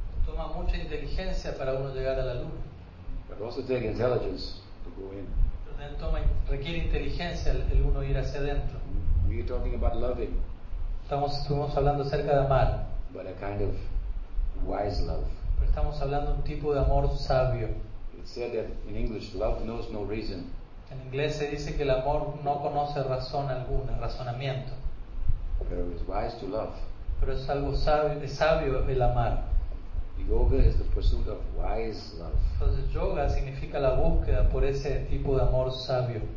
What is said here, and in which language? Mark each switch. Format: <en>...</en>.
<es>Toma mucha inteligencia para uno llegar a la luna.</es> <en>But it also takes intelligence to go in.</en> <es>Requiere inteligencia el uno ir hacia adentro.</es> <en>We are talking about loving.</en> <es>Estuvimos hablando acerca de amar.</es> <en>But a kind of wise love.</en> <es>Pero estamos hablando un tipo de amor sabio.</es> <en>It said that in English, love knows no reason.</en> <es>En inglés se dice que el amor no conoce razón alguna, razonamiento.</es> <en>Pero it's wise to love.</en> <es>Pero es algo sabio, es sabio el amar.</es> <en>Yoga is the pursuit of wise love.</en> <es>Entonces yoga significa la búsqueda por ese tipo de amor sabio.</es>